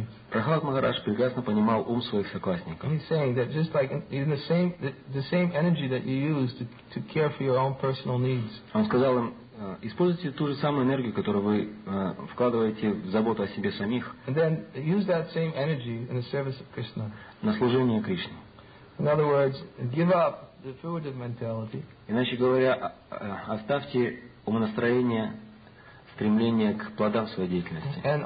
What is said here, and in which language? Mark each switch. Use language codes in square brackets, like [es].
[ru] Прохлад Махарадж прекрасно понимал ум своих соклассников. [en] He's saying that just like in the same energy that you use to care for your own personal needs. [ru] Он сказал им: используйте ту же самую энергию, которую вы вкладываете в заботу о себе самих, на служение Кришне. [en] In other words, give up the fruitive mentality. [ru] Иначе говоря, оставьте умонастроение, стремление к плодам своей деятельности.